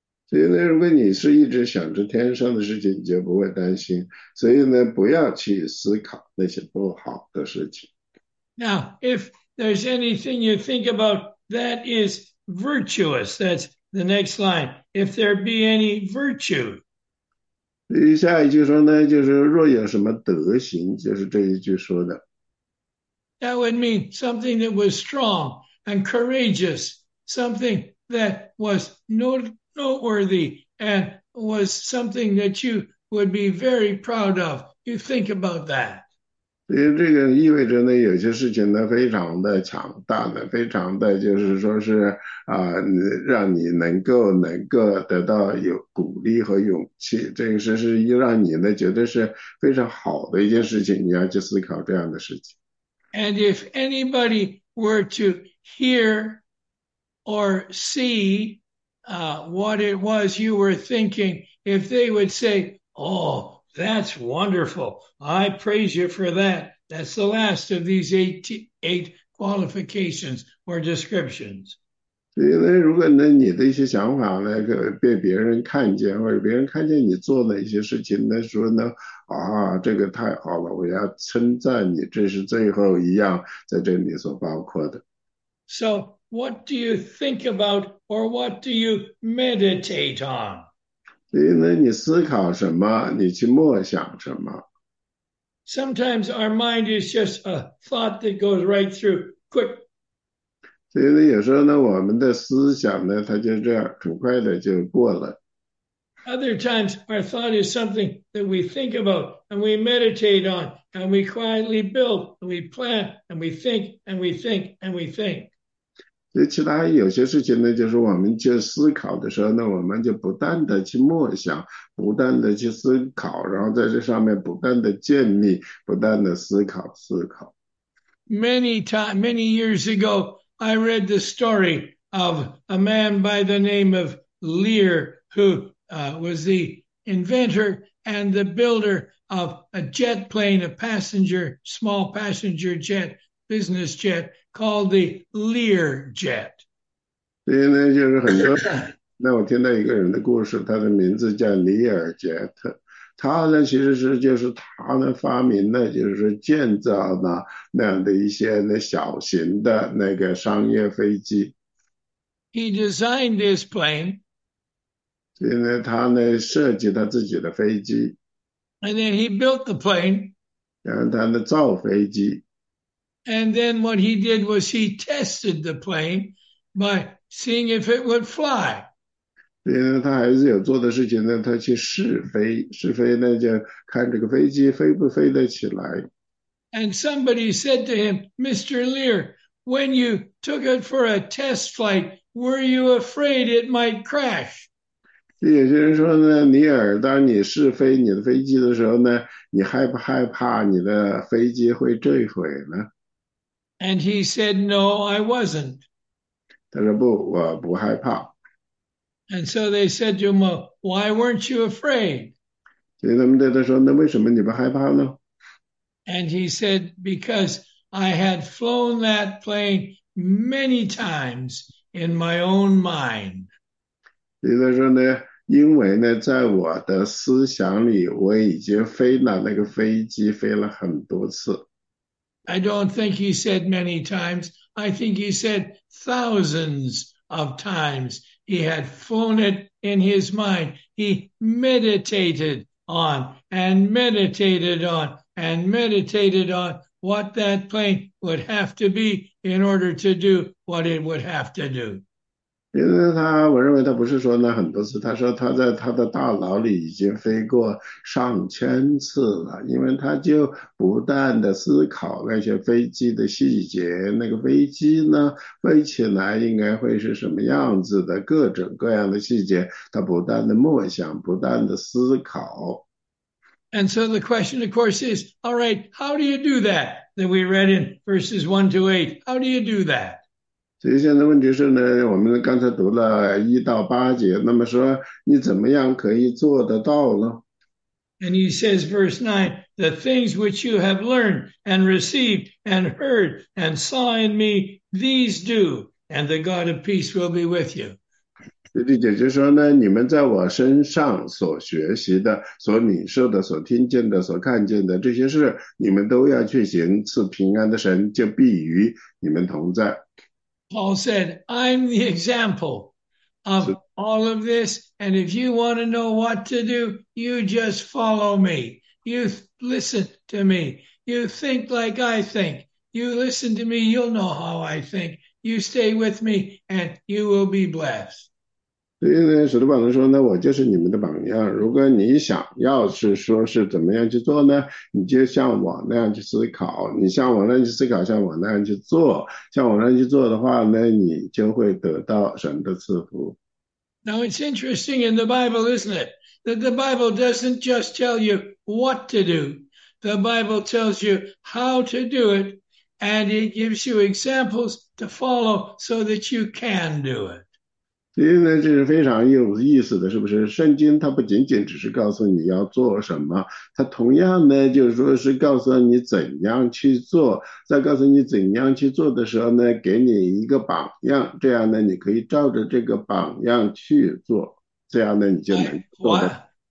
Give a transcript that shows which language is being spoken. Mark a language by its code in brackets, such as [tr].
[zh] 所以呢，如果你是一直想着天上的事情，你就不会担心。所以呢，不要去思考那些不好的事情。 [en] Now, if there's anything you think about that is virtuous, that's the next line. If there be any virtue. [zh] 下一句说呢，就是若有什么德行，就是这一句说的。 [en] That would mean something that was strong and courageous, something that was noteworthy and was something that you would be very proud of. You think about that. [zh] 所以这个意味着呢，有些事情呢非常的强大的，非常的就是说是让你能够得到有鼓励和勇气，这个是让你呢觉得是非常好的一件事情，你要去思考这样的事情。 [en] And if anybody were to hear or see what it was you were thinking, if they would say, "Oh, that's wonderful. I praise you for that." That's the last of these eight qualifications or descriptions. [zh] 所以呢，如果呢你的一些想法呢，被别人看见，或者别人看见你做的一些事情呢，说呢，这个太好了，我要称赞你，这是最后一样在这里所包括的。 [en] So, what do you think about or what do you meditate on? [zh] 所以呢，你思考什么，你去默想什么。 [en] Sometimes our mind is just a thought that goes right through quick. [zh] 所以呢，有时候呢，我们的思想呢，它就这样很快的就过了。 [en] Other times our thought is something that we think about and we meditate on and we quietly build and we plan and we think and we think and we think. [zh] 所以，其他有些事情呢，就是我们去思考的时候呢，我们就不断的去默想，不断的去思考，然后在这上面不断的建立，不断的思考，思考。 [en] Many years ago, I read the story of a man by the name of Lear, who was the inventor and the builder of a jet plane, a passenger, small passenger jet, business jet called the Lear jet. [zh] 所以呢，就是很多。那我听到一个人的故事，他的名字叫里尔杰特。他呢，其实是就是他呢发明的，就是建造呢那样的一些那小型的那个商业飞机。 [en] He designed this plane. [zh] 所以呢，他呢设计他自己的飞机， [en] And then he built the plane. [zh] 然后他呢造飞机。 [en] And then what he did was he tested the plane by seeing if it would fly. [zh] 所以呢，他还是有做的事情呢，他去试飞，试飞呢，就看这个飞机飞不飞得起来。 [en] And somebody said to him, Mr. Lear, when you took it for a test flight, were you afraid it might crash? [zh] 所以有些人说呢，尼尔，当你试飞你的飞机的时候呢，你害不害怕你的飞机会坠毁呢？ [en] And he said, no, I wasn't. [zh] 他说不，我不害怕。 [en] And so they said to him, well, why weren't you afraid? [zh] 所以他们对他说：“那为什么你不害怕呢 [en] And he said, because I had flown that plane many times in my own mind. [zh] 你在说呢？因为呢，在我的思想里，我已经飞了那个飞机，飞了很多次。 [en] I don't think he said many times. I think he said thousands of times. He had flown it in his mind. He meditated on and meditated on and meditated on what that plane would have to be in order to do what it would have to do. [zh] 因为他，我认为他不是说那很多次，他说他在他的大脑里已经飞过上千次了，因为他就不断的思考那些飞机的细节，那个飞机呢飞起来应该会是什么样子的，各种各样的细节，他不断的默想，不断的思考。 [en] And so the question, of course, is, all right, how do you do that? That we read in verses 1 to 8. How do you do that? [zh] 所以现在问题是呢，我们刚才读了一到八节，那么说你怎么样可以做得到呢？ [en] And he says, verse 9, the things which you have learned and received and heard and saw in me, these do, and the God of peace will be with you. [zh] 第九节说呢，你们在我身上所学习的、所领受的、所听见的、所看见的这些事，你们都要去行，赐平安的神就必与你们同在。 [en] Paul said, I'm the example of all of this. And if you want to know what to do, you just follow me. You listen to me. You think like I think. You listen to me. You'll know how I think. You stay with me and you will be blessed. [zh] 所以呢，使徒保罗说呢，我就是你们的榜样。如果你想要是说是怎么样去做呢，你就像我那样去思考，你像我那样去思考，像我那样去做，像我那样去做的话呢，你就会得到神的赐福。 [en] Now it's interesting in the Bible, isn't it? That the Bible doesn't just tell you what to do. The Bible tells you how to do it, and it gives you examples to follow so that you can do it. [zh] 所以呢，这是非常有意思的，是不是？圣经它不仅仅只是告诉你要做什么，它同样呢，就是说是告诉你怎样去做，在告诉你怎样去做的时候呢，给你一个榜样，这样呢，你可以照着这个榜样去做，这样呢，你就能做得。